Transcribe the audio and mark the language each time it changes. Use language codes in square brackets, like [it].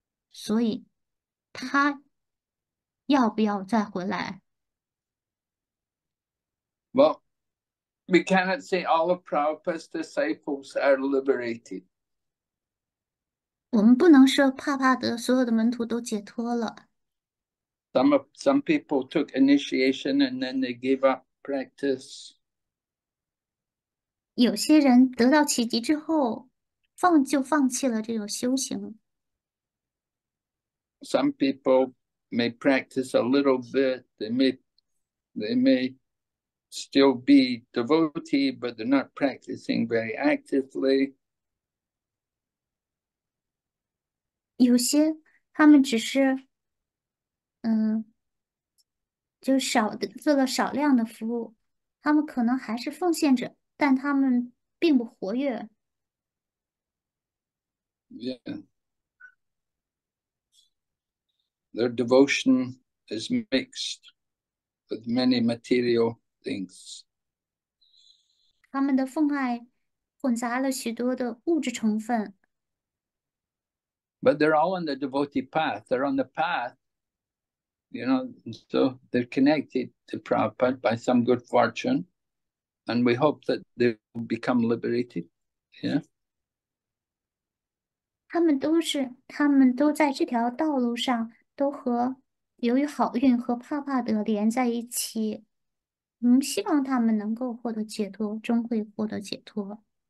[zh] 所以他要不要再回来？ [en] Well. We cannot say all of Prabhupada's disciples are liberated. [zh] 我们不能说帕帕德所有的门徒都解脱了。 [en] Some people took initiation and then they gave up practice. [zh] 有些人得到启迪之后，放弃了这种修行。 [en] Some people may practice a little bit, they may still be devotee, but they're not practicing very actively. [zh] 有些他们只是，就少的做了少量的服务，他们可能还是奉献者。但他们并不活跃。 [en] Yeah. Their devotion is mixed with many material things. [zh] 他们的奉爱混杂了许多的物质成分。 [en] But they're all on the devotee path. They're on the path, so they're connected to Prabhupada by some good fortune, and we hope that they will become liberated. Yeah. [zh] 他们都在这条道路上，都和由于好运和帕帕德连在一起。希望他们能够获得解脱，终会获得解脱。